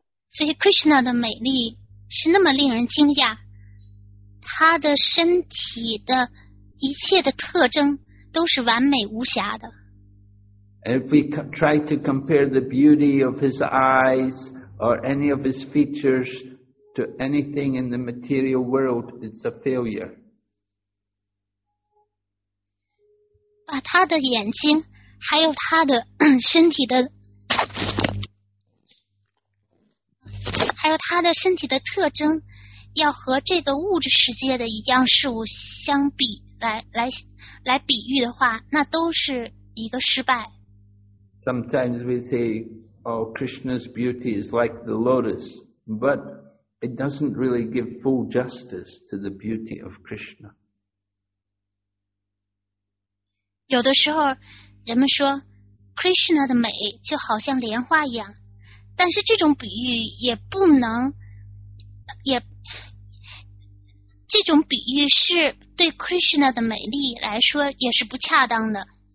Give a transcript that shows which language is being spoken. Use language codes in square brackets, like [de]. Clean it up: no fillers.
[zh] 所以 Krishna 的美丽是那么令人惊讶，他的身体的一切的特征都是完美无瑕的。 [en] If we try to compare the beauty of his eyes or any of his features,to anything in the material world, it's a failure. [zh] 把他的眼睛，还有他的身体的，还有他的身体的特征，要和这个物质世界的一样事物相比，来比喻的话，那都是一个失败。 [en] Sometimes we say, oh, Krishna's beauty is like the lotus, but... It doesn't really give full justice to the beauty of Krishna. [zh] 有的时候人们说 Krishna 的美就好像莲花一样，但是这种比喻也不能也这种比喻是对 Krishna 的美丽来说也是不恰当的。